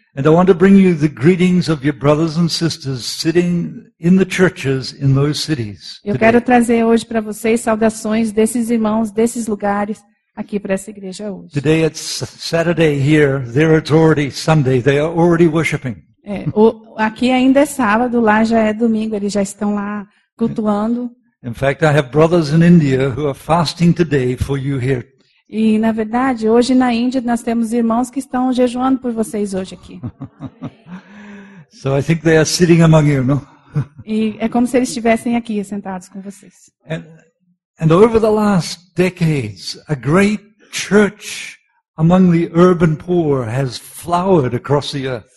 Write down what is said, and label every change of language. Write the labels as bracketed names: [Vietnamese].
[English] And I want to bring you the greetings of your brothers and sisters sitting in the churches in those cities. Eu today. [Portuguese] Quero trazer hoje para vocês saudações desses irmãos desses lugares aqui para essa igreja hoje. [English] Today it's Saturday here, there it's already Sunday. They are already worshiping. [Portuguese] Aqui ainda é sábado, lá já é domingo, eles já estão lá cultuando. [English] In fact, I have brothers in India who are fasting today for you here. [Portuguese] E, na verdade, hoje na Índia nós temos irmãos que estão jejuando por vocês hoje aqui. [English] So I think they are sitting among you, no? [Portuguese] E é como se eles estivessem aqui sentados com vocês. [English] And over the last decades, a great church among the urban poor has flowered across the earth.